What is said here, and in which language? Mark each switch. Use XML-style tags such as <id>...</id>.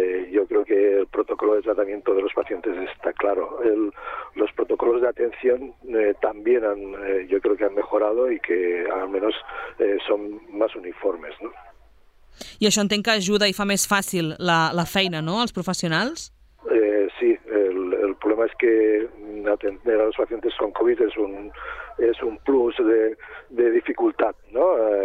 <es>Yo creo que el protocolo de tratamiento de los pacientes está claro. Los protocolos de atención también han, yo creo que han mejorado y que al menos son más uniformes, ¿no?</es> <ca>I això entenc que ajuda i fa més fàcil la feina, no?, als professionals?</ca> <es>Sí, el problema es que atender a los pacientes con COVID es un plus de dificultad, ¿no?</es>